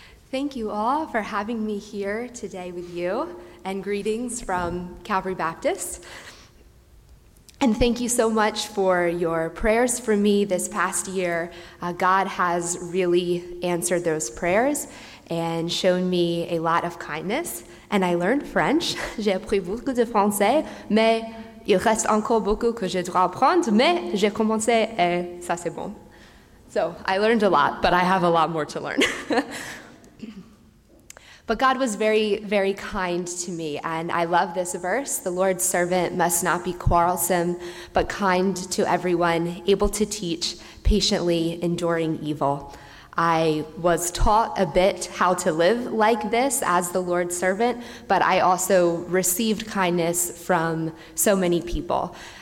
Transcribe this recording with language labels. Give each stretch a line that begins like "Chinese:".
English: Thank you all for having me here today with you, and greetings from Calvary Baptist. And thank you so much for your prayers for me this past year. God has really answered those prayers and shown me a lot of kindness. And I learned French.
French: J'ai appris beaucoup de français, mais il reste encore beaucoup que je dois apprendre, mais j'ai commencé et ça c'est bon.
English: So I learned a lot, but I have a lot more to learn. But God was very, very kind to me, and I love this verse. The Lord's servant must not be quarrelsome, but kind to everyone, able to teach, patiently enduring evil. I was taught a bit how to live like this as the Lord's servant, but I also received kindness from so many people.